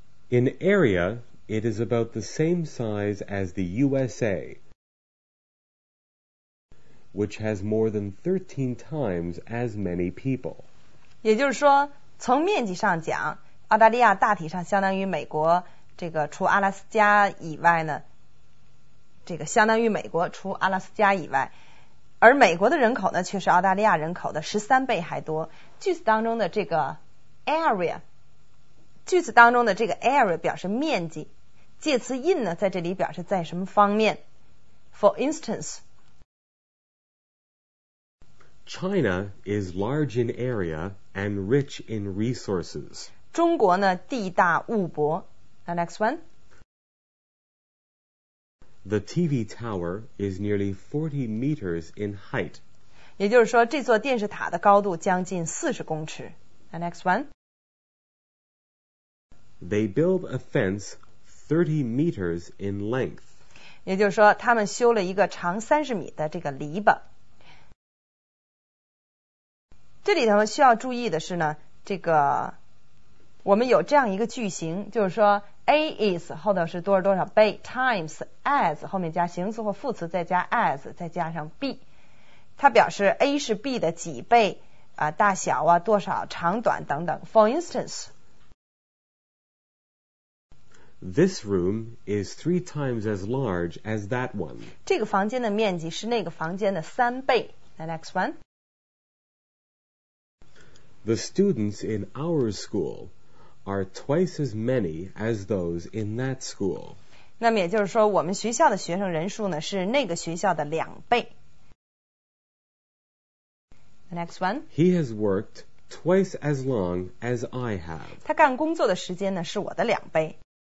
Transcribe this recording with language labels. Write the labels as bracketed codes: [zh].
[en] In area, it is about the same size as the USA, which has more than 13 times as many people. [zh] 也就是说，从面积上讲，澳大利亚大体上相当于美国。这个除阿拉斯加以外呢，这个相当于美国除阿拉斯加以外，而美国的人口呢却是澳大利亚人口的13倍还多。句子当中的这个 area， 句子当中的这个 area 表示面积，介词 in 呢在这里表示在什么方面。 [en] For instance， China is large in area and rich in resources。 [zh] 中国呢地大物博。 [en] The next one. The TV tower is nearly 40 meters in height. [zh] 也就是说，这座电视塔的高度将近40公尺。 [en] The next one. They build a fence 30 meters in length. [zh] 也就是说，他们修了一个长30米的这个篱笆。这里头需要注意的是呢，这个我们有这样一个句型，就是说 A is 后头是多少多少倍 times as 后面加形词或副词再加 as 再加上 B， 它表示 A 是 B 的几倍啊，大小啊，多少长短等等。 [en] For instance， This room is 3 times as large as that one. [zh] 这个房间的面积是那个房间的三倍。 [en] The next one， The students in our schoolare twice as many as those in that school. [zh] 那么也就是说我们学校的学生人数呢是那个学校的两倍。 [en] The next one. He has worked twice as long as I have. [zh] 他干工作的时间呢是我的两倍。